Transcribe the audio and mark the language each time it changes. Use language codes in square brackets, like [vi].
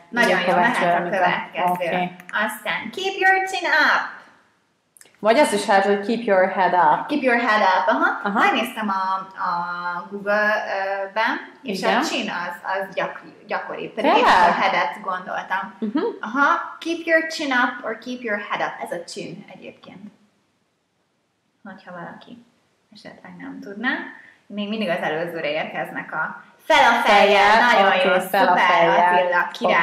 [hu] Nagyon jó, mehet a következő. [en] Okay. [hu] Aztán [en] keep your chin up! [hu] Vagy azt is hát, hogy [en] keep your head up. Keep your head up, aha. Aha. [hu] Megnéztem a Google-ben, és igen. A chin az gyakori, pedig a head-et gondoltam. Uh-huh. [en] Aha, keep your chin up, or keep your head up. [hu] Ez a chin egyébként. Hogyha valaki esetleg nem tudná. Még mindig az előzőre érkeznek a fel a fejjel. Nagyon okay, jó, szuper, Attila, király.